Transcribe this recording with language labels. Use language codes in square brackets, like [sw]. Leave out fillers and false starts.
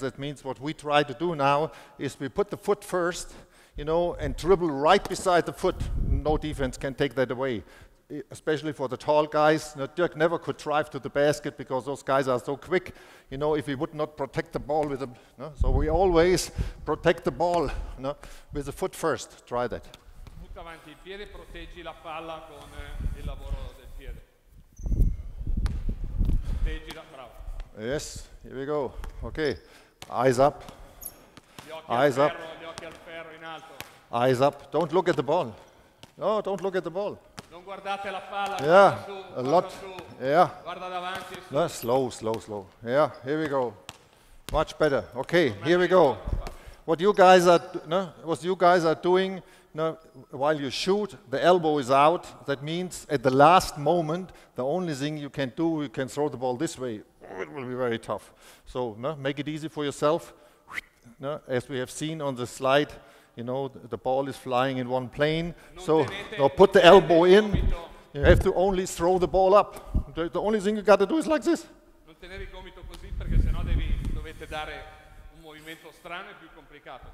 [en] That means what we try to do now is we put the foot first, you know, and dribble right beside the foot. No defense can take that away. Especially for the tall guys. You know, Dirk never could drive to the basket because those guys are so quick, you know, if he would not protect the ball with them. You know? So we always protect the ball, you know, with the foot first. Try that. [it] Put avanti il piede, proteggi la palla con il lavoro del piede. Proteggi la palla. [en] Yes, here we go. Okay, eyes up. Eyes up. [it] Gli occhi al ferro in alto. [en] Eyes up. Don't look at the ball. No, don't look at the ball. [it] Non guardate la palla. [en] Yeah, [it] guarda su, [en] a lot. [it] Su. [en] Yeah. [it] Guarda davanti. [en] No, slow. Yeah, here we go. Much better. Okay, here we go. What you guys are doing, you know, while you shoot, the elbow is out. That means at the last moment, the only thing you can do, you can throw the ball this way. It will be very tough. So, you know, make it easy for yourself. You know, as we have seen on the slide, you know, the ball is flying in one plane, put the elbow in. You have to only throw the ball up. The only thing you got to do is like this. [it] Non tenere il gomito così perché sennò dovete dare un movimento strano e più complicato.